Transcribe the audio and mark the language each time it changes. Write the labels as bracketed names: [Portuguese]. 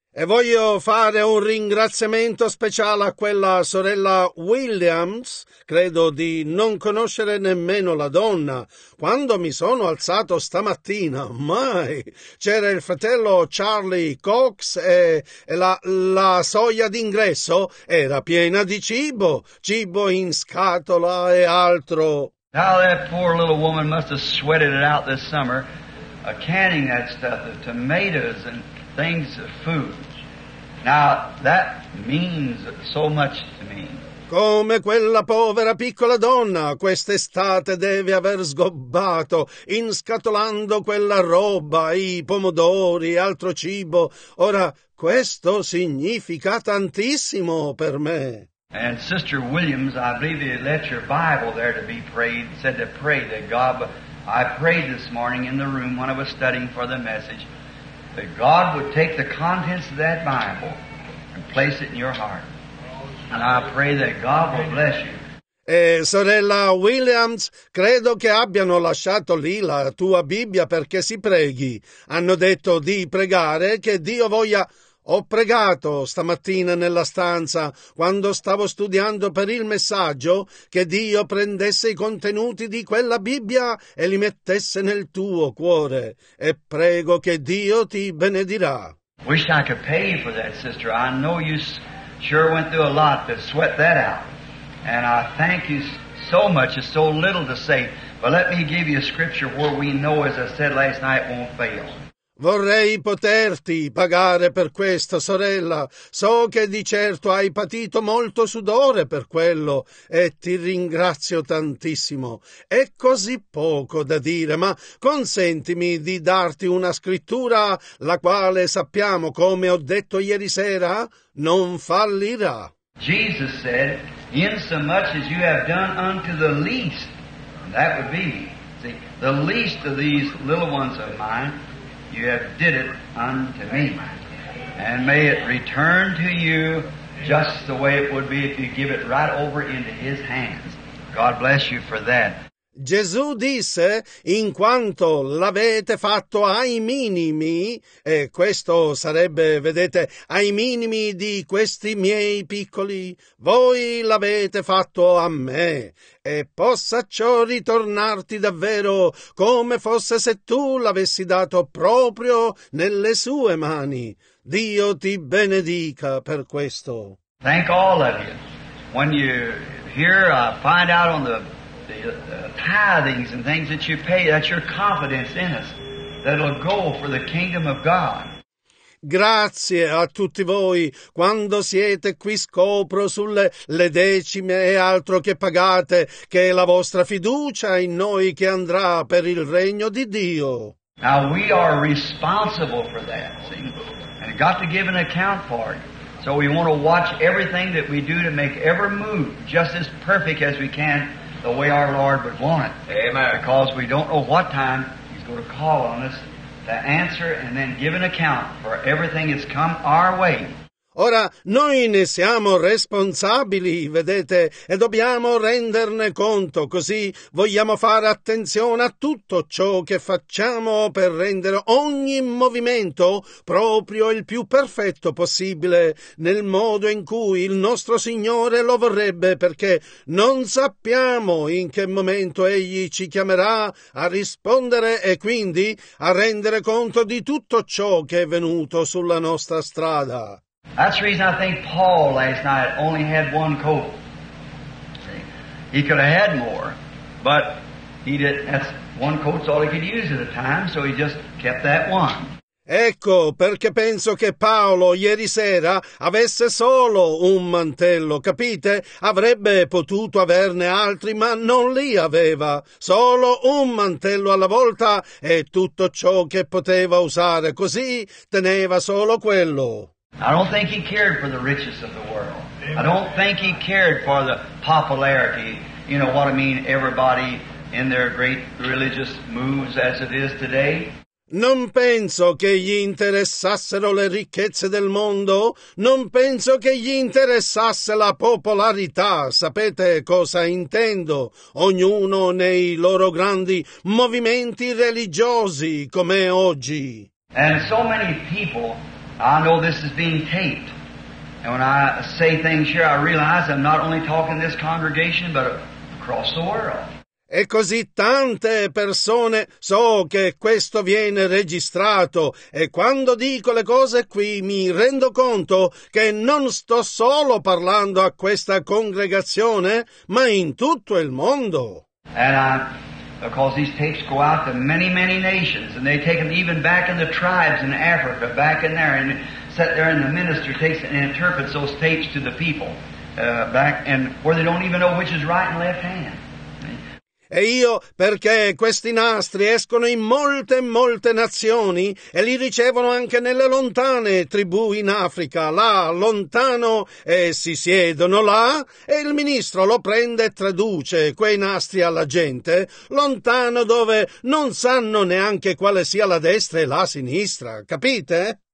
[Italian] E voglio fare un ringraziamento speciale a quella sorella Williams, credo di non conoscere nemmeno la donna. Quando mi sono alzato stamattina, mai! C'era il fratello Charlie Cox e la soglia d'ingresso era piena di cibo in scatola e altro. [English] Now that poor little woman must have sweated it out this summer, canning that stuff, the tomatoes and things of food. Now that means so much to me. [Italian] Come quella povera piccola donna, quest'estate deve aver sgobbato, inscatolando quella roba, i pomodori, altro cibo. Ora, questo significa tantissimo per me. [English] And Sister Williams, I believe you let your Bible there to be prayed, said to pray that God, I prayed this morning in the room when I was studying for the message, that God would take the contents of that Bible and place it in your heart. And I pray that God will bless you. [Italian] Sorella Williams, credo che abbiano lasciato lì la tua Bibbia perché si preghi. Hanno detto di pregare che Dio voglia. Ho pregato stamattina nella stanza, quando stavo studiando per il messaggio, che Dio prendesse i contenuti di quella Bibbia e li mettesse nel tuo cuore. E prego che Dio ti benedirà. [English] Wish I could pay you for that, sister. I know you sure went through a lot to sweat that out. And I thank you so much. It's so little to say. But let me give you a scripture where we know, as I said last night, won't fail. [Italian] Vorrei poterti pagare per questo, sorella. So che di certo hai patito molto sudore per quello e ti ringrazio tantissimo. È così poco da dire, ma consentimi di darti una scrittura la quale sappiamo, come ho detto ieri sera, non fallirà. [English] Jesus said, in so much as you have done unto the least, that would be, see, the least of these little ones of mine, you have did it unto me, and may it return to you just the way it would be if you give it right over into His hands. God bless you for that. [Italian] Gesù disse, in quanto l'avete fatto ai minimi, e questo sarebbe, vedete, ai minimi di questi miei piccoli, voi l'avete fatto a me, e possa ciò ritornarti davvero come fosse se tu l'avessi dato proprio nelle sue mani. Dio ti benedica per questo. [English] Thank all of you. When you hear, find out on the tithings and things that you pay, that's your confidence in us that it'll go for the kingdom of God. [Italian] Grazie a tutti voi. Quando siete qui scopro sulle decime e altro che pagate, che è la vostra fiducia in noi che andrà per il regno di Dio. [English] Now, we are responsible for that, see? And got to give an account for it. So we want to watch everything that we do to make every move just as perfect as we can the way our Lord would want it. Amen. Because we don't know what time He's going to call on us to answer and then give an account for everything that's come our way. [Italian] Ora, noi ne siamo responsabili, vedete, e dobbiamo renderne conto, così vogliamo fare attenzione a tutto ciò che facciamo per rendere ogni movimento proprio il più perfetto possibile, nel modo in cui il nostro Signore lo vorrebbe, perché non sappiamo in che momento Egli ci chiamerà a rispondere e quindi a rendere conto di tutto ciò che è venuto sulla nostra strada. [English] That's the reason I think Paul last night only had one coat. He could have had more, but he didn't. That's one coat's all he could use at the time, so he just kept that one. [Italian] Ecco perché penso che Paolo ieri sera avesse solo un mantello, capite? Avrebbe potuto averne altri, ma non li aveva. Solo un mantello alla volta è tutto ciò che poteva usare, così teneva solo quello. [English] I don't think he cared for the riches of the world. I don't think he cared for the popularity. You know what I mean? Everybody in their great religious moves as it is today. [Italian] Non penso che gli interessassero le ricchezze del mondo. Non penso che gli interessasse la popolarità. Sapete cosa intendo? Ognuno nei loro grandi movimenti religiosi come oggi. [English] And so many people, I know this is being taped, and when I say things here, I realize I'm not only talking to this congregation, but across the world. [Italian] E così tante persone so che questo viene registrato, e quando dico le cose qui mi rendo conto che non sto solo parlando a questa congregazione, ma in tutto il mondo. [English] And because these tapes go out to many, many nations, and they take them even back in the tribes in Africa, back in there, and sit there, and the minister takes it and interprets those tapes to the people, back, and where they don't even know which is right and left hand. [Italian] E io, perché questi nastri escono in molte, molte nazioni e li ricevono anche nelle lontane tribù in Africa, là, lontano, e si siedono là, e il ministro lo prende e traduce quei nastri alla gente, lontano dove non sanno neanche quale sia la destra e la sinistra, capite?